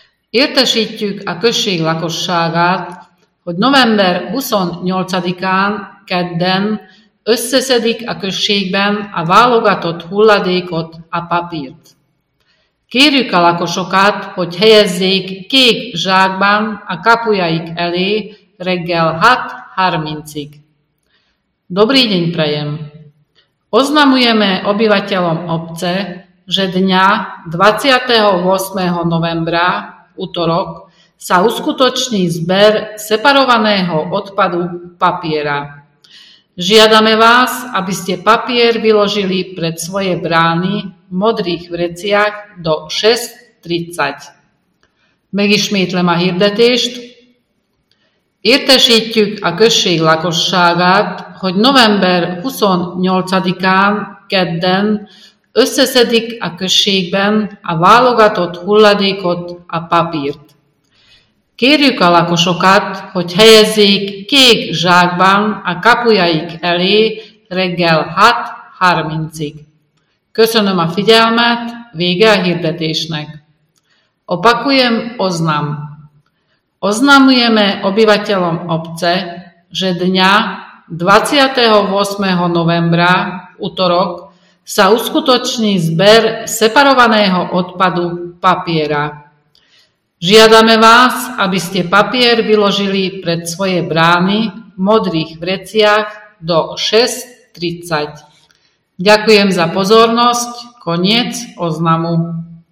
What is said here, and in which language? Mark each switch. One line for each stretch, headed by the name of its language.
Hungarian: Értesítjük a község lakosságát, hogy november 28-án, kedden összeszedik a községben a válogatott hulladékot, a papírt. Kérjük a lakosokat, hogy helyezzék kék zsákban a kapujaik elé reggel 6:30-ig.
Slovak: Dobrý deň prajem! Oznamujeme obyvateľom obce, že dňa 28. novembra, utorok, sa uskutoční zber separovaného odpadu papiera. Žiadame vás, aby ste papier vyložili pred svoje brány v modrých vreciach do 6:30.
Hungarian: Megismétlem a hirdetést. Értesítjük a község lakosságát, hogy november 28-án, kedden, összeszedik a községben a válogatott hulladékot, a papírt. Kérjük a lakosokat, hogy helyezzék kék zsákban a kapujaik elé reggel 6:30-ig. Köszönöm a figyelmet, vége a hirdetésnek.
Slovak: Opakujem oznam. Oznamujeme obyvateľom obce, že dňa 28. novembra, utorok, sa uskutoční zber separovaného odpadu papiera. Žiadame vás, aby ste papier vyložili pred svoje brány v modrých vreciach do 6:30. Ďakujem za pozornosť. Koniec oznamu.